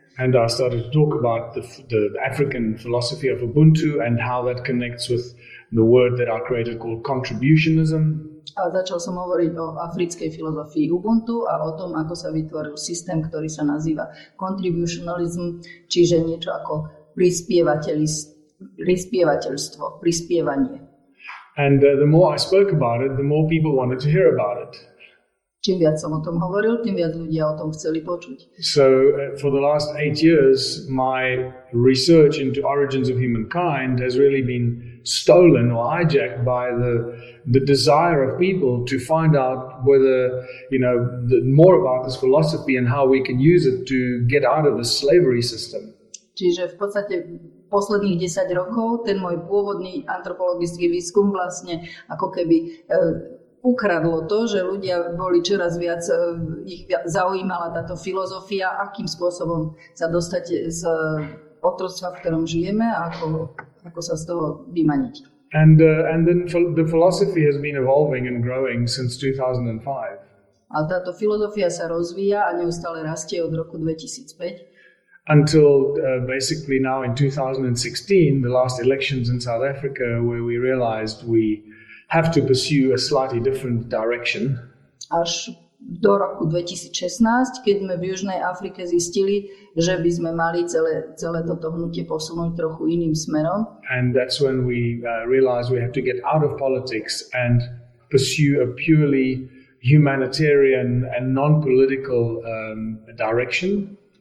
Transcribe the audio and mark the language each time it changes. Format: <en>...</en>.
<en>And I started to talk about the African philosophy of Ubuntu and how that connects with the word that I created called contributionism.</en> <sk>A začal som hovoriť o africkej filozofii Ubuntu a o tom, ako sa vytvoril systém, ktorý sa nazýva contributionalism, čiže niečo ako prispievateľstvo, prispievanie.</sk> <en>And the more I spoke about it, the more people wanted to hear about it.</en> <sk>Čím viac som o tom hovoril, tým viac ľudia o tom chceli počuť.</sk> <en>So for the last 8 years my research into origins of humankind has really been stolen or hijacked by the desire of people to find out whether more about this philosophy and how we can use it to get out of the slavery system.</en> <sk>Čiže v podstate posledných 10 rokov ten môj pôvodný antropologický výskum vlastne ako keby ukradlo to, že ľudia boli čoraz viac, ich zaujímala táto filozofia, akým spôsobom sa dostať z otroctva, v ktorom žijeme, a ako sa z toho vymaniť.</sk> <en>And then the philosophy has been evolving and growing since 2005.</en> <sk>A táto filozofia sa rozvíja a neustále rastie od roku 2005.</sk> <en>Until basically now in 2016, the last elections in South Africa, where we realized we have to pursue a slightly different direction.</en> <sk>Až do roku 2016, keď sme v Južnej Afrike zistili, že by sme mali celé toto hnutie posunúť trochu iným smerom.</sk> <en>And that's when we realized we have to get out of politics and pursue a purely humanitarian and non-political direction.</en>